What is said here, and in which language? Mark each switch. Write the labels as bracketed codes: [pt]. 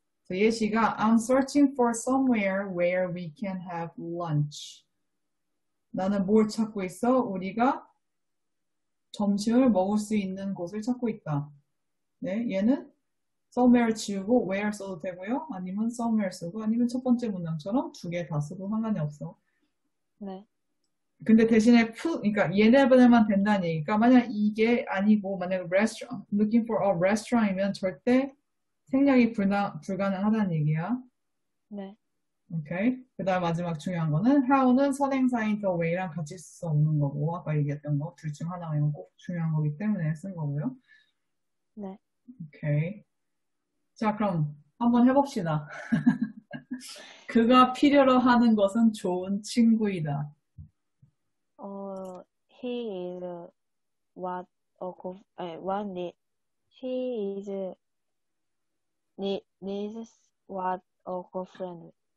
[ko] 예시가 [en] I'm searching for somewhere where we can have lunch. [ko] 나는 뭘 찾고 있어? 우리가 점심을 먹을 수 있는 곳을 찾고 있다. 네, 얘는 somewhere 지우고 where 써도 되고요. 아니면 somewhere 쓰고 아니면 첫 번째 문장처럼 두개다 써도 상관이 없어. 네. 근데 대신에 그러니까 얘네만 된다는 얘기니까 만약 이게 아니고 만약 restaurant, [en] looking for a restaurant [ko] 이면 절대 생략이 불가능하다는 얘기야. 네. 오케이. 그다음 마지막 중요한 거는 how는 선행사인 the way랑 같이 쓸수 없는 거고 아까 얘기했던 거둘중 하나가 꼭 중요한 거기 때문에 쓴 거고요. 네. 오케이. 자, 그럼 한번 해봅시다. 그가 필요로 하는 것은 좋은 친구이다. [en] He is what a co 아니 what need he is needs what a girlfriend.